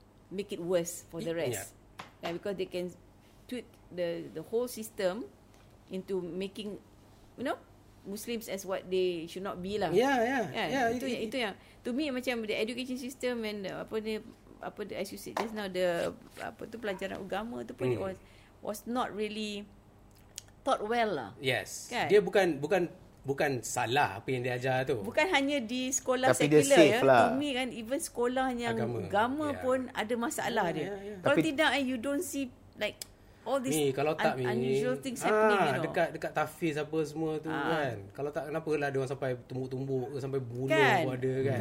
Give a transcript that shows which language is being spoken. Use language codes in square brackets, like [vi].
[en] make it worse for the rest. Yeah. Like, because they can tweak the whole system into making, you know, Muslims as what they should not be lah. [ms] Itu yang [en] to me macam the education system and apa ni, as you said just now, the [ms] apa tu pelajaran agama tu pun [en] it was not really taught well lah. Yes. Kan? [ms] Dia bukan salah apa yang dia ajar tu. Bukan hanya di sekolah sekular ya. Lah. [en] To me [ms] kan even sekolah yang agama pun ada masalah dia. [en] Yeah. Kalau you don't see like all this unusual things happening, you know. [ms] Dekat tafiz apa semua tu kan. Kalau tak, kenapa lah dia orang sampai tumbuk-tumbuk sampai bunuh pun ada kan.